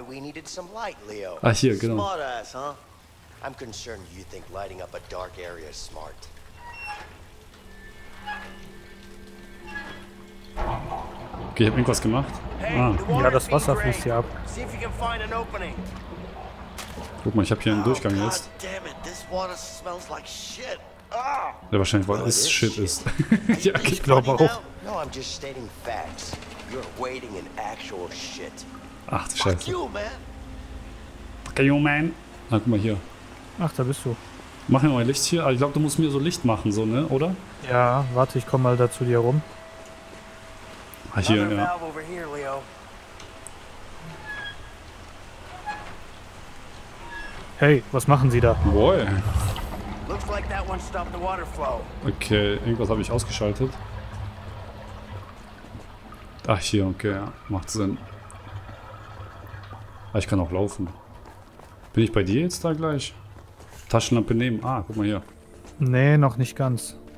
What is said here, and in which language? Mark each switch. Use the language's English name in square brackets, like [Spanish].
[English] we needed some light, Leo. [German] Ah, hier, genau. [English] Smart ass, huh? I'm concerned you think lighting up a dark area is smart. [German] Okay, ich hab irgendwas gemacht. Ja, das Wasser fließt hier ab. [English] See if you can find an opening. [German] Guck mal, ich hab hier einen Durchgang jetzt. [English] Goddammit, this water smells like shit. [German] Ja, wahrscheinlich, weil es shit ist. Ja, ich glaube auch. [English] No, I'm just stating facts. You're waiting in actual shit. [German] Ach du Scheiße. [English] Fuck you, man. [German] Na, guck mal hier. Ach, da bist du. Mach mir mal Licht hier. Ich glaube, du musst mir so Licht machen, so, ne, oder? Ja, warte, ich komme mal da zu dir rum. Ach, hier, ja. [English] Over here, Leo. [German] Hey, was machen Sie da? [English] Boy. Looks like that one stopped the water flow. [German] Okay, irgendwas habe ich ausgeschaltet. Ach, hier, okay, ja. Macht Sinn. Ah, ich kann auch laufen. Bin ich bei dir jetzt da gleich? Taschenlampe nehmen. Ah, guck mal hier. Nee, noch nicht ganz.